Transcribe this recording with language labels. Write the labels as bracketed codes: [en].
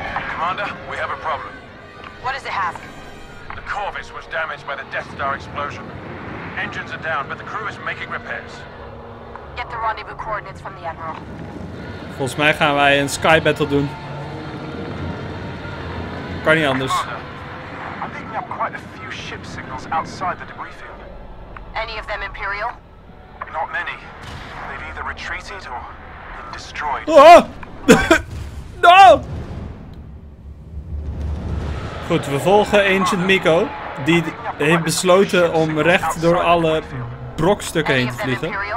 [en] Commander, we have a problem. What is it, Hask? Corvus was damaged by the Death Star explosion. Engines are down, but the crew is making repairs. Get the rendezvous coordinates from the Admiral. [nl] Volgens mij gaan wij een sky battle doen. Kan niet anders. [en] Commander, I'm picking up quite a few ship signals outside the debris field. Any of them Imperial? Not many. They've either retreated or been destroyed. Oh! No! [nl] Goed, we volgen Ancient Miko, die heeft besloten om recht door alle brokstukken heen te vliegen.